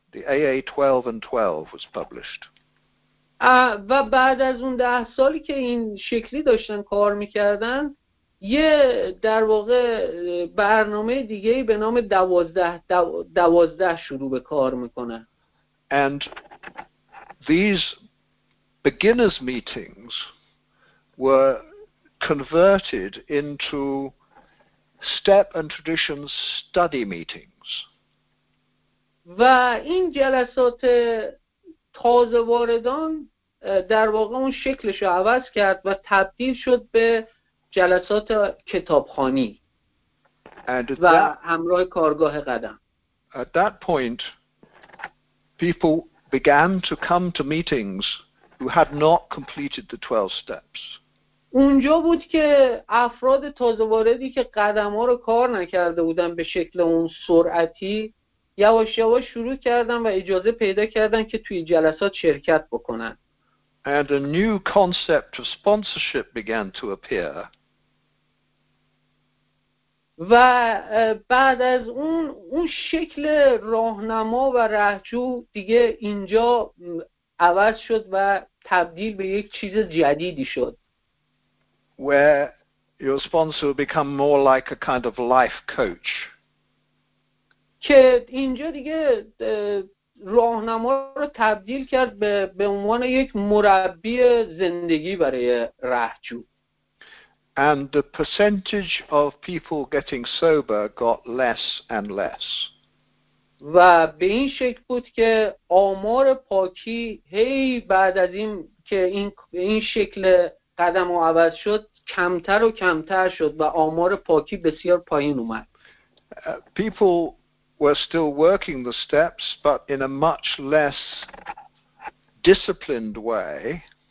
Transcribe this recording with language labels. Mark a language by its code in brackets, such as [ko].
[en] The AA 12 and 12 was published. [fa] و بعد از اون 10 سالی که این شکلی داشتن کار میکردن یه در واقع برنامه دیگه‌ای به نام 12 شروع به کار میکنه. [en] And these beginners meetings were converted into step and tradition study meetings. [fa] و این جلسات تازه واردان در واقع اون شکلش رو عوض کرد و تبدیل شد به جلسات کتابخوانی و همراه کارگاه قدم. [en] At that point people began to come to meetings who had not completed the 12 steps. [fa] اونجا بود که افراد تازه واردی که قدم‌ها رو کار نکرده بودن به شکل اون سرعتی یواش یواش شروع کردن و اجازه پیدا کردن که توی جلسات شرکت بکنن. [en] And a new concept of sponsorship began to appear. [fa] و بعد از اون شکل راهنما و رهجو دیگه اینجا عوض شد و تبدیل به یک چیز جدیدی شد. [en] Where your sponsor become more like a kind of life coach. [fa] که اینجا دیگه راهنما رو تبدیل کرد به عنوان یک مربی زندگی برای رهجو. [en] And the percentage of people getting sober got less and less. [fa] و به این شکل بود که آمار پاکی هی بعد از این که این شکل قدم رو عوض شد کمتر و کمتر شد و آمار پاکی بسیار پایین اومد. [en] People were still working the steps but in a much less disciplined way.